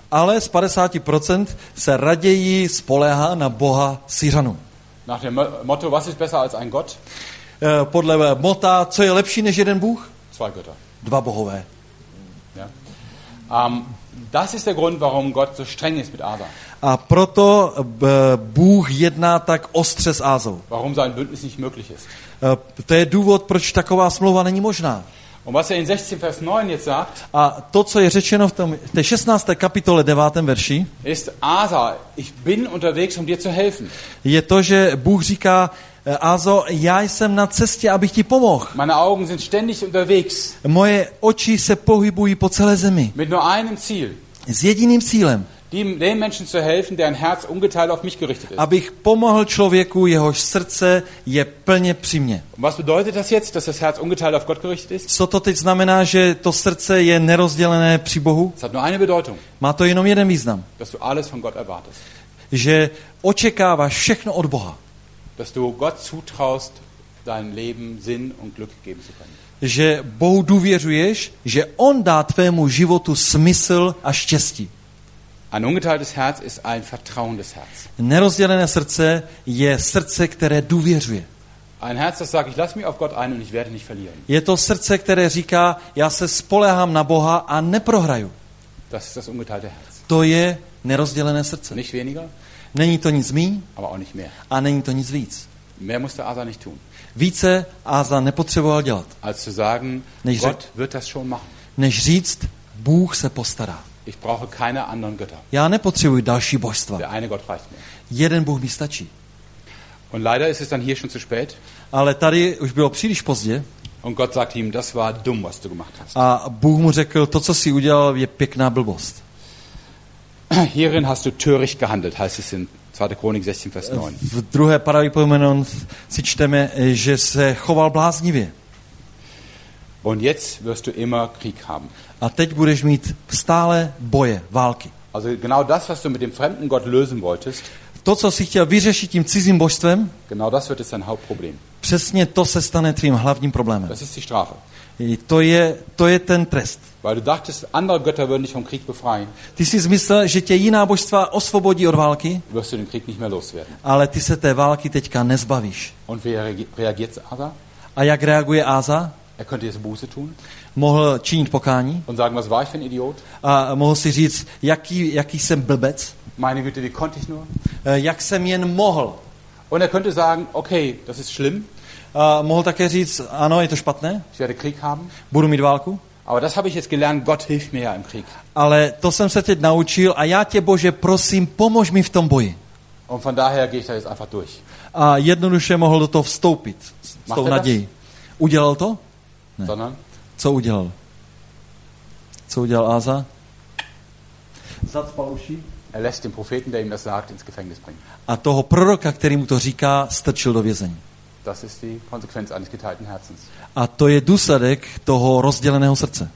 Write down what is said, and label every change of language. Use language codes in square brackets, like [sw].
[cs] Ale z 50% se raději spoléhá na Boha Syřanů. [de] Nach dem Motto, was ist besser als ein Gott? [cs] Podle motta, co je lepší než jeden Bůh? [de] Zwei Götter. [cs] Dva bohové. [de] Ja. Das ist der Grund, warum Gott so streng ist mit Asa. [cs] A proto Bůh jedná tak ostře s Asou. [de] Warum sein Bündnis nicht möglich ist. [cs] To je důvod, proč taková smlouva není možná. [de] Und was er in 16 Vers 9 jetzt sagt, [cs] a to, co je řečeno v tom, té 16. kapitole 9. verši, [de] ist Asa, ich bin unterwegs, um dir zu helfen. [cs] Je to, že Bůh říká, Aso, já jsem na cestě, abych ti pomohl. [de] Meine Augen sind ständig unterwegs. [cs] Moje oči se pohybují po celé zemi. [de] Mit nur einem Ziel. [cs] S jediným cílem. [de] Den Menschen zu helfen, deren Herz ungeteilt auf mich gerichtet ist. [cs] Abych pomohl člověku, jehož srdce je plně při mně. [de] Was bedeutet das jetzt, dass das Herz ungeteilt auf Gott gerichtet ist? [cs] Co to teď znamená, že to srdce je nerozdělené při Bohu? [de] Es hat nur eine Bedeutung. [cs] Má to jenom jeden význam. [de] Dass du alles von Gott erwartest. [cs] Že očekáváš všechno od Boha. [de] Dass du Gott zutraust, dein Leben Sinn und Glück geben zu können. [cs] Že Bohu důvěřuješ, že on dá tvému životu smysl a štěstí. [de] Ein ungeteiltes Herz ist ein vertrauendes Herz. [cs] Nerozdělené srdce je srdce, které důvěřuje. [de] Ein Herz, das sagt, ich lasse mich auf Gott ein und ich werde nicht verlieren. [cs] Je to srdce, které říká, já se spoléhám na Boha a neprohraju. [de] Das ist das ungeteilte Herz. [cs] To je nerozdělené srdce. [de] Nicht weniger. [cs] Není to nic míň. [de] Aber auch nicht mehr. [cs] A není to nic víc. [de] Mehr musste Asa nicht tun. [cs] Více Asa nepotřeboval dělat. [de] Als zu sagen, [cs] než říct, [de] Gott wird das schon machen. [cs] Než říct, Bůh se postará. [de] Ich brauche keine anderen Götter. [cs] Já nepotřebuji další božstva. [de] Der eine Gott reicht mir. [cs] Jeden Bůh mi stačí. [de] Und leider ist es dann hier schon zu spät. [cs] Ale tady už bylo příliš pozdě. [de] Und Gott sagt ihm, das war dumm, was du gemacht hast. [cs] A Bůh mu řekl, to, co jsi udělal, je pěkná blbost. [de] Hierin hast du töricht gehandelt, heißt es in 2. Chronik 16, Vers 9. [cs] V druhé paralipomenon si čteme, že se choval bláznivě. [de] Und jetzt wirst du immer Krieg haben. [cs] A teď budeš mít stále boje, války. [de] Also genau das, was du mit dem fremden Gott lösen wolltest, [cs] to, co jsi chtěl vyřešit tím cizím božstvem, [de] genau das wird jetzt dein Hauptproblem. [cs] Přesně to se stane tvým hlavním problémem. [de] Das ist die Strafe. [cs] To je ten trest. [de] Weil du dachtest, andere Götter würden dich vom Krieg befreien. [cs] Ty jsi myslel, že tě jiná božstva osvobodí od války, [de] wirst du den Krieg nicht mehr loswerden. [cs] Ale ty se té války teďka nezbavíš. [de] Und wie reagiert Asa? [cs] A jak reaguje Asa? [de] Er könnte jetzt Buße tun. [cs] Mohl činit pokání. [de] Und sagen, was war ich für ein Idiot? [cs] A mohl si říct, jaký jsem blbec. [de] Meine Güte, wie konnte ich nur? [cs] Jak jsem jen mohl. [de] Und er könnte sagen, okay, das ist schlimm. [cs] A mohl také říct, ano, je to špatné. [de] Ich werde Krieg haben. [cs] Budu mít válku. [de] Aber das habe ich jetzt gelernt, Gott hilf mir ja im Krieg. [cs] Ale to jsem se teď naučil a já tě, Bože, prosím, pomož mi v tom boji. [de] Und von daher gehe ich da jetzt einfach durch. [cs] A jednoduše mohl do toho vstoupit s tou nadějí. Udělal to? Ne. Co udělal? Co udělal Asa? Zacpal uši. [de] Er lässt den Propheten, der ihm das sagt, ins Gefängnis bringen. [cs] A toho proroka, který mu to říká, strčil do vězení. [de] Das ist die Konsequenz eines geteilten Herzens. [cs] A to je důsledek toho rozděleného srdce.